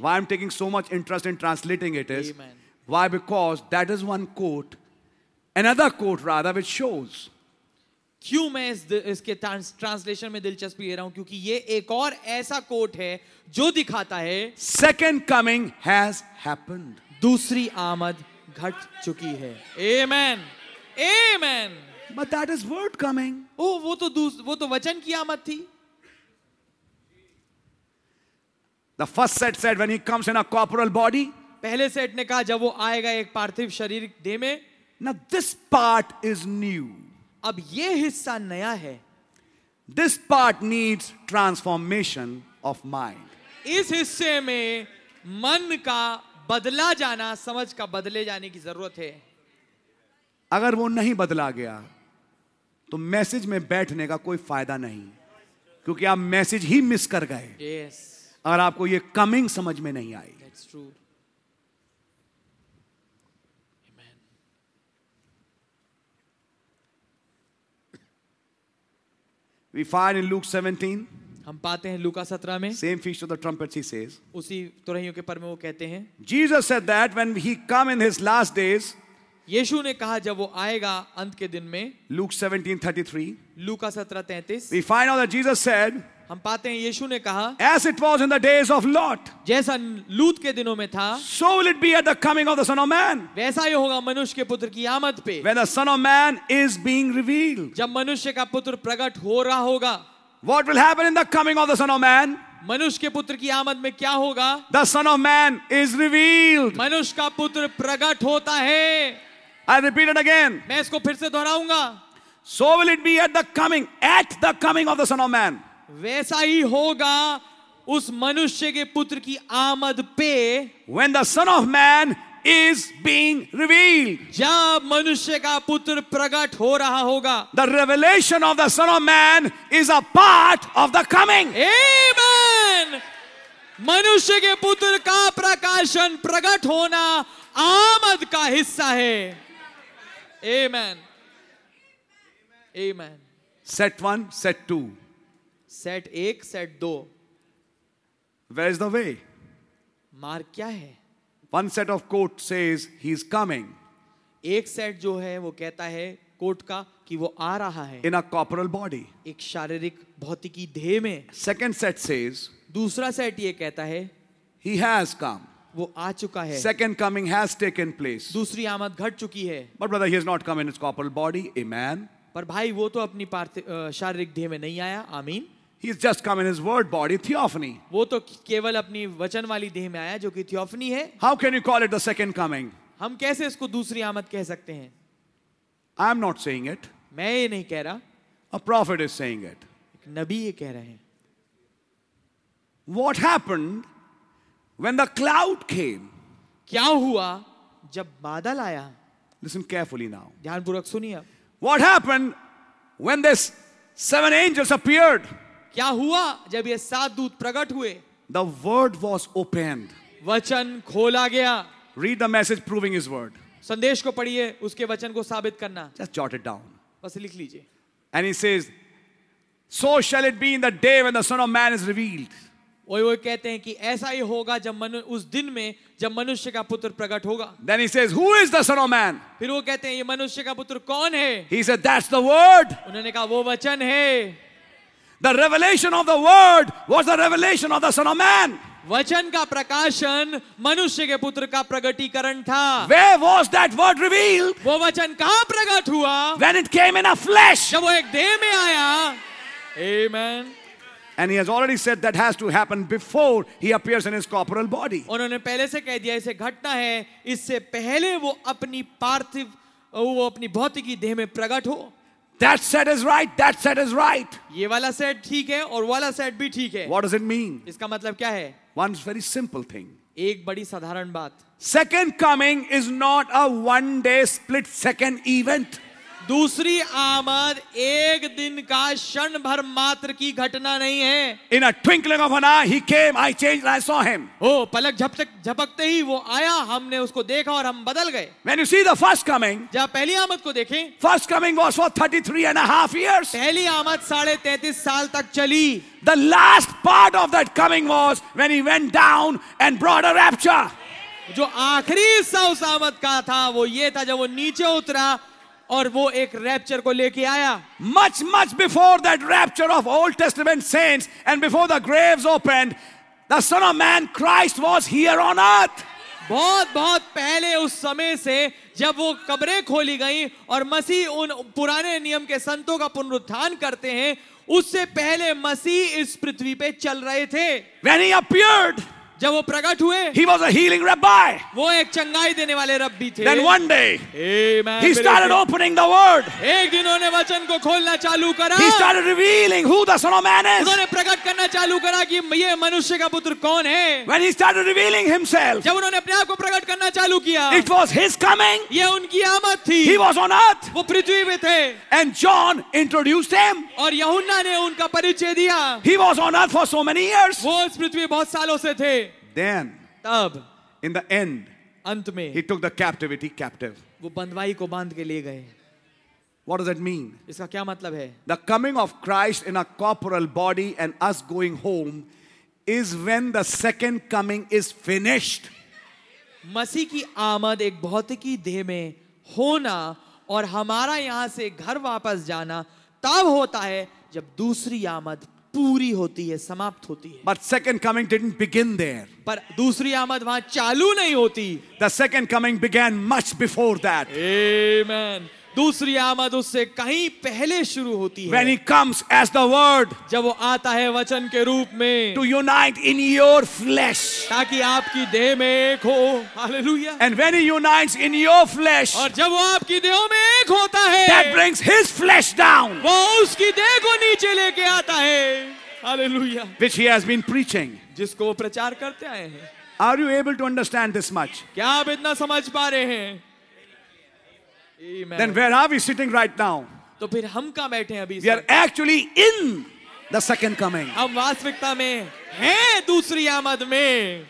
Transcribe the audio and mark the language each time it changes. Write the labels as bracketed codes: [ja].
[en] Why I'm taking so much interest in translating it is. Amen. Why? Because that is one quote, another quote rather, which shows. [hi] क्यों मैं इसके translation में दिलचस्पी ले रहा हूं? क्योंकि ये एक और ऐसा कोट है जो दिखाता है [en] Second coming has happened. [hi] दूसरी आमद घट चुकी है. Amen. Amen. [en] But that is word coming. [hi] ओ, वो तो वचन की आमद थी. [en] The first set said when he comes in a corporal body. [hi] पहले सेट ने कहा जब वो आएगा एक पार्थिव शरीर दे में. [en] Now this part is new. [hi] अब ये हिस्सा नया है. [en] This part needs transformation of mind. [hi] इस हिस्से में मन का बदला जाना, समझ का बदले जाने की जरूरत है. अगर वो नहीं बदला गया तो मैसेज में बैठने का कोई फायदा नहीं. क्योंकि आप मैसेज ही मिस कर गए और आपको ये कमिंग समझ में नहीं आई. [en] We find in Luke 17. [hi] हम पाते हैं लूका 17 में. [en] Same feast of the trumpets, he says. [hi] उसी तुरहियों के पर में वो कहते हैं. [en] Jesus said that when he come in his last days. [hi] यीशु ने कहा जब वो आएगा अंत के दिन में. [en] Luke 17:33. [hi] Luka 17:33. [en] We find out that Jesus said. [hi] हम पाते हैं यीशु ने कहा. [en] As it was in the days of Lot. [hi] जैसा लूत के दिनों में था. [en] So will it be at the coming of the Son of Man. [hi] वैसा ही होगा मनुष्य के पुत्र की आमद पे. [en] When the Son of Man is being revealed. [hi] जब मनुष्य का पुत्र प्रकट हो रहा होगा. [en] What will happen in the coming of the Son of Man? [hi] मनुष्य के पुत्र की आमद में क्या होगा? [en] The Son of Man is revealed. [hi] मनुष्य का पुत्र प्रकट होता है. [en] I repeat it again. [hi] मैं इसको फिर से दोहराऊंगा. [en] So will it be at the coming of the Son of Man? [hi] वैसा ही होगा उस मनुष्य के पुत्र की आमद पे. [en] When the Son of Man is being revealed. [hi] जब मनुष्य का पुत्र प्रकट हो रहा होगा. [en] The revelation of the Son of Man is a part of the coming. Amen. [hi] मनुष्य के पुत्र का प्रकाशन प्रकट होना आमद का हिस्सा है. Amen. Amen. [en] Set one, set two. [hi] Set एक, सेट दो. [en] Where is the way? [hi] मार्ग क्या है? [en] One set of court says he is coming. [hi] एक सेट जो है वो कहता है कोर्ट का कि वो आ रहा है. [en] In a corporal body. [hi] एक शारीरिक भौतिकी देह में. [en] Second set says. [hi] दूसरा सेट ये कहता है. [en] He has come. [hi] वो आ चुका है. [en] Second coming has taken place. [hi] दूसरी आमद घट चुकी है. [en] But brother, he has not come in his corporal body. Amen. [hi] पर भाई वो तो अपनी शारीरिक देह में नहीं आया. आमीन. [en] He has just come in his word body, theophany. [hi] वो तो केवल अपनी वचन वाली देह में आया जो कि थियोफनी है. [en] How can you call it the second coming? [hi] हम कैसे इसको दूसरी आमद कह सकते हैं? [en] I am not saying it. [hi] मैं ये नहीं कह रहा. [en] A prophet is saying it. [hi] एक नबी ये कह रहे हैं. [en] What happened when the cloud came? [hi] क्या हुआ जब बादल आया? [en] Listen carefully now. [hi] ध्यान पूर्वक सुनिए. [en] What happened when this seven angels appeared? [hi] क्या हुआ जब ये सात दूत प्रकट हुए? [en] The word was opened. [hi] वचन खोला गया. [en] Read the message proving his word. [hi] संदेश को पढ़िए उसके वचन को साबित करना. [en] Just jot it down. [hi] बस लिख लीजिए. [en] And he says, so shall it be in the day when the Son of Man is revealed. [hi] वो कहते हैं कि ऐसा ही होगा जब उस दिन में जब मनुष्य का पुत्र प्रकट होगा. [en] Then he says, who is the Son of Man? [hi] फिर वो कहते हैं ये मनुष्य का पुत्र कौन है? [en] He said, that's the word. [hi] उन्होंने कहा वो वचन है. [en] The revelation of the word was the revelation of the Son of Man. [hi] वचन का प्रकाशन मनुष्य के पुत्र का प्रगटीकरण था. [en] Where was that word revealed? [hi] वो वचन कहां प्रकट हुआ? [en] When it came in a flesh. [hi] जब वो एक देह में आया. Amen. [en] And he has already said that has to happen before he appears in his corporal body. [hi] उन्होंने पहले से कह दिया इसे घटना है इससे पहले वो अपनी पार्थिव वो अपनी भौतिकी देह में प्रकट हो. [en] That set is right. That set is right. [hi] ये वाला set ठीक है और वाला set भी ठीक है. [en] What does it mean? [hi] इसका मतलब क्या है? [en] One very simple thing. [hi] एक बड़ी साधारण बात. [en] Second coming is not a one day split second event. [hi] दूसरी आमद एक दिन का क्षण भर मात्र की घटना नहीं है. [en] In a twinkling of an eye, he came. I changed. I saw him. [hi] Oh, पलक झपकते ही वो आया. हमने उसको देखा और हम बदल गए. [en] When you see the first coming, [hi] जब पहली आमद को देखें, [en] first coming was for 33.5 years. [hi] पहली आमद 33.5 साल तक चली. [en] The last part of that coming was when he went down and brought a rapture. [hi] जो आखिरी हिस्सा उस आमद का था वो ये था जब वो नीचे उतरा और वो एक रैप्चर को लेके आया. [en] Much much before that rapture of Old Testament saints and before the graves opened the Son of Man Christ was here on earth. [hi] बहुत बहुत पहले उस समय से जब वो कब्रें खोली गई और मसीह उन पुराने नियम के संतों का पुनरुत्थान करते हैं उससे पहले मसीह इस पृथ्वी पे चल रहे थे. [en] when he appeared [hi] जब वो प्रकट हुए, [en] he was a healing rabbi. [hi] वो एक चंगाई देने वाले रब्बी थे. [en] Then one day, Amen. He started opening the word. [hi] एक दिन उन्होंने वचन को खोलना चालू करा. [en] He started revealing who the Son of Man is. [hi] उन्होंने प्रकट करना चालू करा कि ये मनुष्य का पुत्र कौन है. [en] When he started revealing himself, [hi] जब उन्होंने अपने आप को प्रकट करना चालू किया, [en] it was his coming. [hi] ये उनकी आमद थी. [en] He was on earth. [hi] वो पृथ्वी पे थे. [en] And John introduced him. [hi] और यूहन्ना ने उनका परिचय दिया. [en] He was on earth for so many years. [hi] वो इस पृथ्वी बहुत सालों से थे. [en] Then, [hi] तब, [en] in the end, [hi] अंत में, [en] he took the captivity captive. [hi] वो बंदवाई को बांध के ले गए. [en] What does that mean? [hi] इसका क्या मतलब है? [en] The coming of Christ in a corporal body and us going home is when the second coming is finished. [hi] मसीह की आमद एक भौतिकी देह में होना और हमारा यहां से घर वापस जाना तब होता है जब दूसरी आमद पूरी होती है, समाप्त होती है. [en] But second coming didn't begin there. [hi] पर दूसरी आमद वहां चालू नहीं होती. [en] The second coming began much before that. Amen. [hi] दूसरी आमद उससे कहीं पहले शुरू होती है. [en] When he comes as the word, [hi] जब वो आता है वचन के रूप में, [en] to unite in your flesh, [hi] ताकि आपकी देह में एक हो. Hallelujah. [en] And when he unites in your flesh, [hi] और जब वो आपकी देह में एक होता है, [en] that brings his flesh down, [hi] वो उसकी देह को नीचे लेके आता है. Hallelujah. [en] Which he has been preaching, [hi] जिसको वो प्रचार करते आए हैं. [en] Are you able to understand this much? [hi] क्या आप इतना समझ पा रहे हैं? Amen. [en] Then where are we sitting right now? [hi] तो फिर हम कहाँ बैठे हैं अभी? [en] We are actually in the second coming. [hi] हम वास्तविकता में हैं दूसरी आमद में.